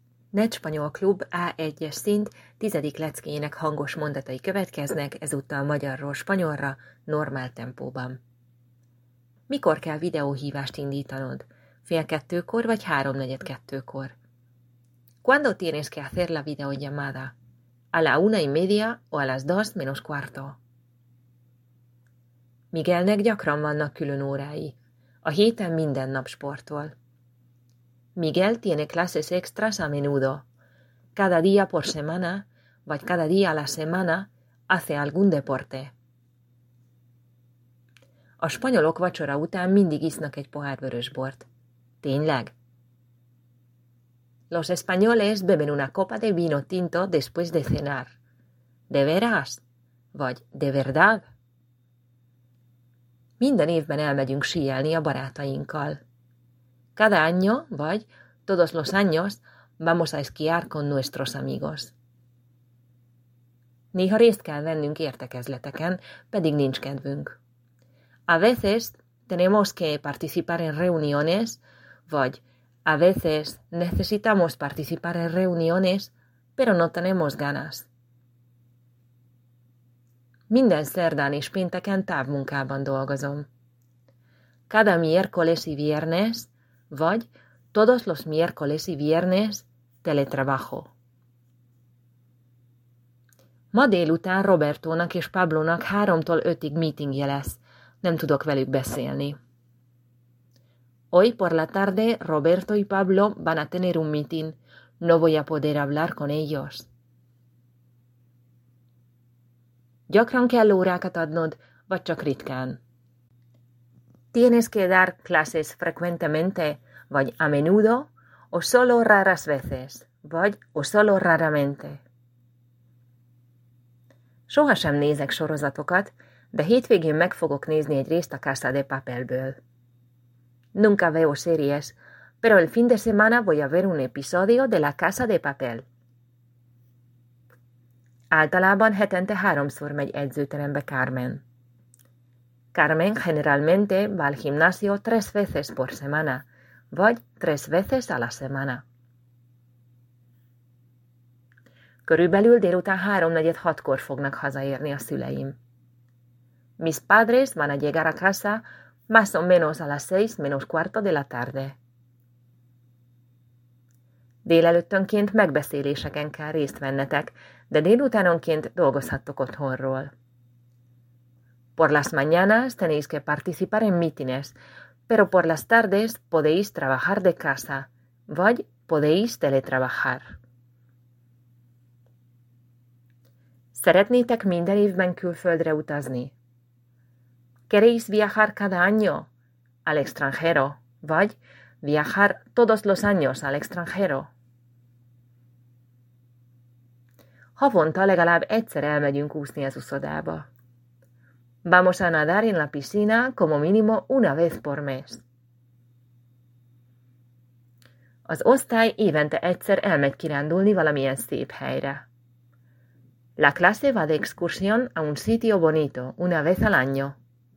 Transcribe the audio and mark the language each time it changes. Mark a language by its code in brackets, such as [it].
[hu] Ne Spanyol Klub A1-es szint 10. leckéjének hangos mondatai következnek, ezúttal magyarról spanyolra, normál tempóban. Mikor kell videóhívást indítanod? 1:30-kor vagy 1:45-kor? [es] ¿Cuándo tienes que hacer la videollamada? ¿A la 1:30 o a las 2:45? [hu] Miguelnek gyakran vannak külön órái. A héten minden nap sportol. [es] Miguel tiene clases extras a menudo. Cada día por semana, vagy cada día a la semana, hace algún deporte. [hu] A spanyolok vacsora után mindig isznak egy pohár vörösbort. Tényleg? [es] Los españoles beben una copa de vino tinto después de cenar. ¿De veras? Vagy de verdad? [hu] Minden évben elmegyünk síelni a barátainkkal. [es] Cada año, vagy todos los años, vamos a esquiar con nuestros amigos. [hu] Néha részt kell vennünk értekezleteken, pedig nincs kedvünk. [es] A veces tenemos que participar en reuniones, vagy a veces necesitamos participar en reuniones, pero no tenemos ganas. [hu] Minden szerdán és pénteken távmunkában dolgozom. [es] Cada miércoles y viernes, vagy todos los miércoles y viernes, teletrabajo. [hu] Ma délután Robertónak és Pablónak 3-tól 5-ig meetingje lesz. Nem tudok velük beszélni. [es] Hoy por la tarde Roberto y Pablo van a tener un meeting. No voy a poder hablar con ellos. [hu] Gyakran kell órákat adnod, vagy csak ritkán? [es] Tienes que dar clases frecuentemente, vagy a menudo, o solo raras veces, vagy o solo raramente. [hu] Sohasem nézek sorozatokat, de hétvégén meg fogok nézni egy részt a Casa de Papelből. [es] Nunca veo series, pero el fin de semana voy a ver un episodio de la Casa de Papel. [hu] Általában hetente 3-szor megy edzőterembe Carmen. [es] Carmen generalmente va al gimnasio 3 veces por semana, vagy 3 veces a la semana. [hu] Körülbelül délután 3:45-kor fognak hazaérni a szüleim. [es] Mis padres van a llegar a casa más o menos a las 6:45 de la tarde. [hu] Délelőttönként megbeszéléseken kell részt vennetek, de délutánonként dolgozhattok otthonról. [es] Por las mañanas tenéis que participar en mítines, pero por las tardes podéis trabajar de casa, vagy podéis teletrabajar. [hu] Szeretnétek minden évben külföldre utazni? [es] ¿Queréis viajar cada año al extranjero, vagy viajar todos los años al extranjero? [hu] Havonta legalább egyszer elmegyünk úszni az uszodába. [es] Vamos a nadar en la piscina como mínimo 1 vez por mes. [hu] Az osztály évente egyszer elmegy kirándulni valamilyen szép helyre. [es] La clase va de excursión a un sitio bonito 1 vez al año.